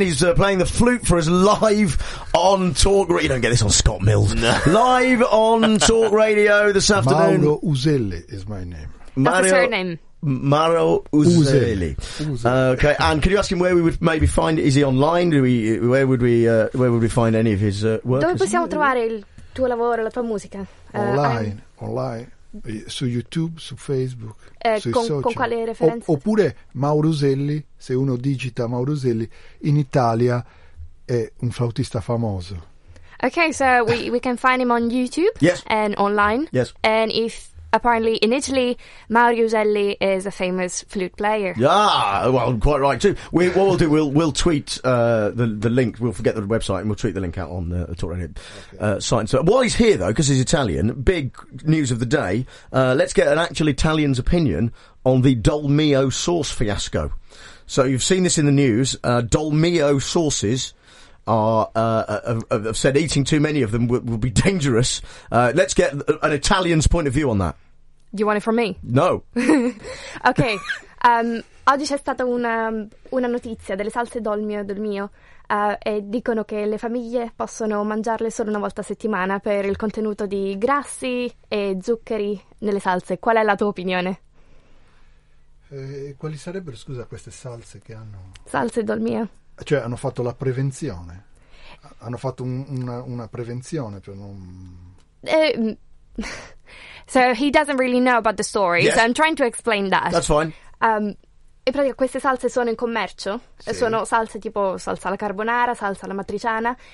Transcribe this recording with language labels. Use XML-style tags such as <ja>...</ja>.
<en>He's playing the flute for us live on Talk Radio. You don't get this on Scott Mills. No. Live on Talk Radio this afternoon. Mauro Uzzelli is my name. That's a surname. Mauro Uzzelli. Okay, and could you ask him where we would maybe find? Is he online? Do we? Where would we? Where would we find any of his work?</en> <it>Dove possiamo trovare il tuo lavoro, la tua musica? Online, online, su YouTube, su Facebook. Con quale referenza? Oppure Mauro Uzzelli, se uno digita Mauro Uzzelli, in Italia è un flautista famoso.</it> <en>Okay, so we can find him on YouTube. Yes. And online. Yes. And if apparently in Italy, Mauro Uzzelli is a famous flute player. Yeah, well, quite right too. What we'll do, we'll tweet the link. We'll forget the website and we'll tweet the link out on the Talk Radio site. So while he's here though, because he's Italian, big news of the day. Let's get an actual Italian's opinion on the Dolmio sauce fiasco. So you've seen this in the news. Dolmio sauces have said eating too many of them will be dangerous. Let's get an Italian's point of view on that. You want it from me? No. Okay.</en> <it>Oggi c'è stata una notizia delle salse Dolmio, e dicono che le famiglie possono mangiarle solo una volta a settimana per il contenuto di grassi e zuccheri nelle salse. Qual è la tua opinione? Quali sarebbero, scusa, queste salse che hanno? Salse Dolmio. Cioè hanno fatto la prevenzione, hanno fatto una prevenzione per non...</it> <en>So he doesn't really know about the story. Yes. So I'm trying to explain that. That's fine.</en> <it>In pratica queste salse sono in commercio, sì. Sono salse tipo salsa alla carbonara, salsa alla matriciana.</it>